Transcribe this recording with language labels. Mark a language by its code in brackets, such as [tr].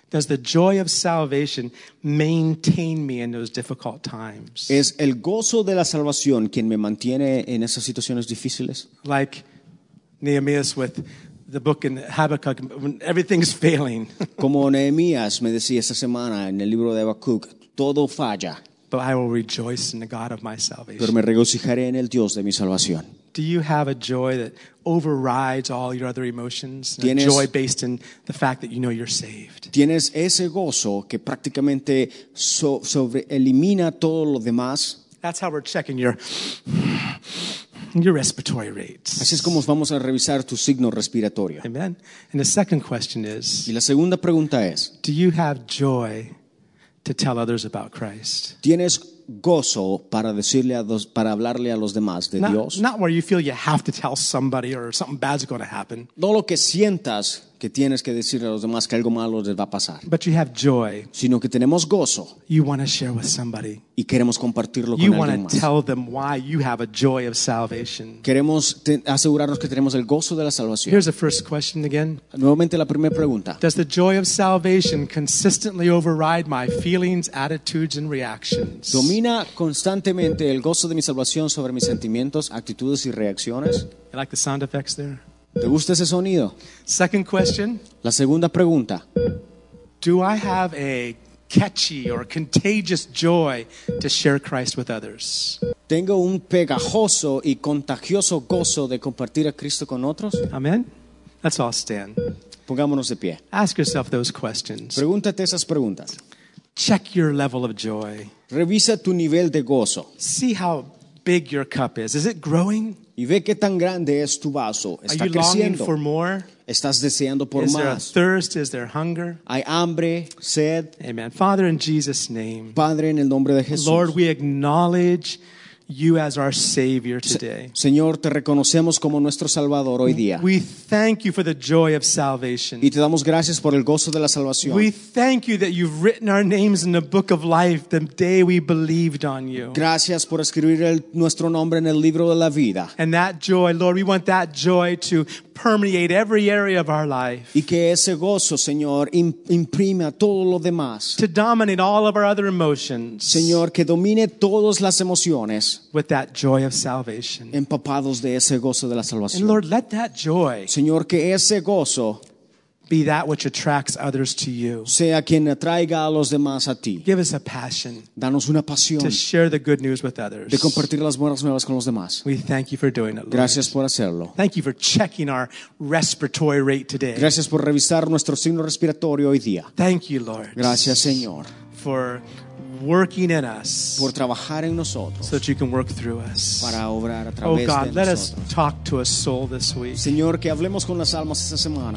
[en] Does the joy of salvation maintain me in those difficult times? [es] ¿Es el gozo de la salvación quien me mantiene en esas situaciones difíciles? [en] Like Nehemías with the book in Habakkuk, when everything's failing. [es] Como Nehemías me decía esa semana en el libro de Habacuc, todo falla. [en] But I will rejoice in the God of my salvation. [es] Pero me regocijaré en el Dios de mi salvación. [en] Do you have a joy that overrides all your other emotions? A joy based in the fact that you know you're saved. [es] ¿Tienes ese gozo que prácticamente sobreelimina todo lo demás? [en] That's how we're checking your respiratory rates. [es] Así es como vamos a revisar tu signo respiratorio. [en] Amen. And the second question is. [es] Y la segunda pregunta es. [en] Do you have joy to tell others about Christ? [es] ¿Tienes gozo para hablarle a los demás de Dios? [en] Not where you feel you have to tell somebody or something bad's going to happen. [es] No lo que sientas que tienes que decirle a los demás que algo malo les va a pasar. [en] But you have joy. [es] Sino que tenemos gozo. [en] You want to share with somebody. [es] Y queremos compartirlo con [en] you [es] alguien más. [en] You want to tell them why you have a joy of salvation. [es] Queremos asegurarnos que tenemos el gozo de la salvación. [en] Here's the first question again. [es] Nuevamente la primera pregunta. [en] Does the joy of salvation consistently override my feelings, attitudes, and reactions? [es] ¿Domina constantemente el gozo de mi salvación sobre mis sentimientos, actitudes y reacciones? [en] You like the sound effects there? [es] ¿Te gusta ese sonido? [en] Second question. [es] La segunda pregunta. [en] Do I have a catchy or contagious joy to share Christ with others? [es] ¿Tengo un pegajoso y contagioso gozo de compartir a Cristo con otros? [en] Amen. Let's all stand. [es] Pongámonos de pie. [en] Ask yourself those questions. [es] Pregúntate esas preguntas. [en] Check your level of joy. [es] Revisa tu nivel de gozo. [en] See how big your cup is. Is it growing? [es] Y ve qué tan grande es tu vaso. ¿Está creciendo? [en] Are you longing for more? [es] ¿Estás deseando por más? [en] Is there thirst? Is there hunger? [es] ¿Hay hambre, sed? [en] Amen. Father, in Jesus' name. [es] Padre, en el nombre de Jesús. [en] Lord, we acknowledge you as our Savior today. [es] Señor, te reconocemos como nuestro Salvador hoy día. [en] We thank you for the joy of salvation. [es] Y te damos gracias por el gozo de la salvación. [en] We thank you that you've written our names in the book of life the day we believed on you. [es] Gracias por escribir nuestro nombre en el libro de la vida. [en] And that joy, Lord, we want that joy to permeate every area of our life. [es] Y que ese gozo, Señor, imprima todo lo demás. [en] To dominate all of our other emotions. [es] Señor, que domine todas las emociones. [en] With that joy of salvation. [es] Empapados de ese gozo de la salvación. [en] And Lord, let that joy. [es] Señor, que ese gozo. [en] Be that which attracts others to you. [es] Sea quien atraiga a los demás a ti. [en] Give us a passion. [es] Danos una pasión. [en] To share the good news with others. [es] De compartir las buenas nuevas con los demás. [en] We thank you for doing it, Lord. [es] Gracias por hacerlo. [en] Thank you for checking our respiratory rate today. [es] Gracias por revisar nuestro signo respiratorio hoy día. [en] Thank you, Lord. [es] Gracias, Señor. [en] For working in us, [es] por trabajar en nosotros, [en] so that you can work through us. [es] Para obrar a través de nosotros. [en] Oh God, let us talk to a soul this week. [es] Señor, que hablemos con las almas esta semana.